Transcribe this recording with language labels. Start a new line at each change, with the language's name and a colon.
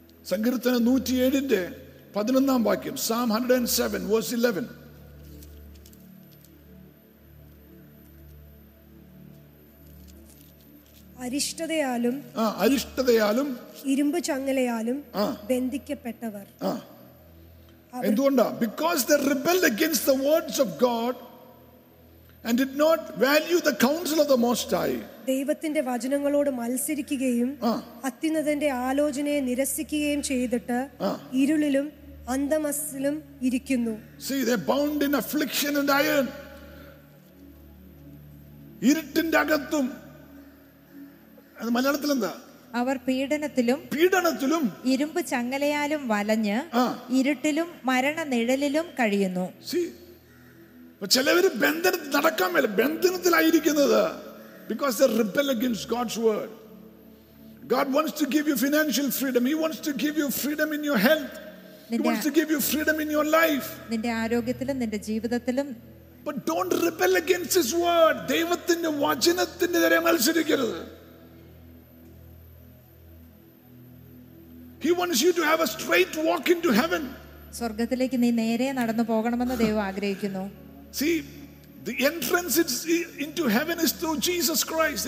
Malayalam: സങ്കീർത്തനം 107:11 വാക്യം.
English: Psalm 107 verse 11.
Malayalam: അരിഷ്ടതയാലും അരിഷ്ടതയാലും ഇരുമ്പ് ചങ്ങലയാലും ബന്ധിക്കപ്പെട്ടവർ. എന്തുകൊണ്ടാ?
English: Because they rebelled against the words of God and did not value the counsel of the Most High.
Malayalam: ദൈവത്തിന്റെ വചനങ്ങളോട് മത്സരിക്കുകയും അത്യുന്നതന്റെ ആലോചനയെ നിരസിക്കുകയും ചെയ്തിട്ട് ഇരുളിലും അന്ധമസ്സിലും ഇരിക്കുന്നു.
English: See, they bound in affliction and iron.
Malayalam: ഇരുട്ടിന്റെ അകത്തും, അത് മലയാളത്തിൽ എന്താ, അവർ പീഡനത്തിലും പീഡനത്തിലും ഇരുമ്പ് ചങ്ങലയാലും വലഞ്ഞ് ഇരുട്ടിലും മരണ നിഴലിലും കഴിയുന്നു. ചിലവര് ബന്ധനത്തിൽ നടക്കാൻ മേല ബന്ധനത്തിലായിരിക്കുന്നത്.
English: Because they rebel against God's word. God wants to give you financial freedom. He wants to give you freedom in your health. He wants to give you freedom in your life.
Malayalam: നിന്റെ ആരോഗ്യത്തിലും നിന്റെ ജീവിതത്തിലും.
English: But don't rebel against his word.
Malayalam: ദൈവത്തിന്റെ വചനത്തിന്റെ നേരെ മത്സരിക്കരുത്.
English: He wants you to have a straight walk into heaven.
Malayalam: സ്വർഗ്ഗത്തിലേക്ക് നീ നേരെ നടന്നു പോകണമെന്ന് ദൈവം ആഗ്രഹിക്കുന്നു.
English: See, the entrance into heaven is through Jesus Christ.